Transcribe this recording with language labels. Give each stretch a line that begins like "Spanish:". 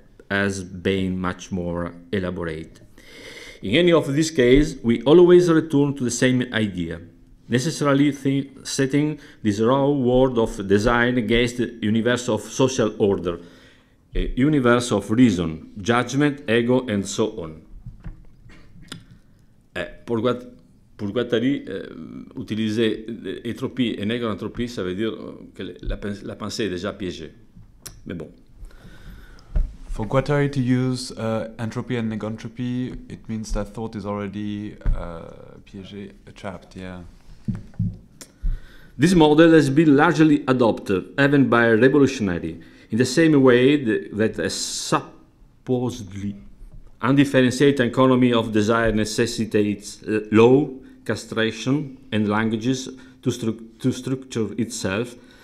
English: has been much more elaborate. In any of these cases, we always return to the same idea, necessarily setting this raw world of design against the universe of social order, a universe of reason, judgment, ego, and so on.
French: Pour Guattari utilise entropie et négro-entropie, ça veut dire que la pensée est déjà piégée. Mais bon.
English: For Guattari to use entropy and negentropy, it means that thought is already
French: piégé,
English: trapped, yeah. This model has been largely adopted, even by a revolutionary, in the same way that a supposedly undifferentiated economy of desire necessitates law, castration, and languages to structure itself.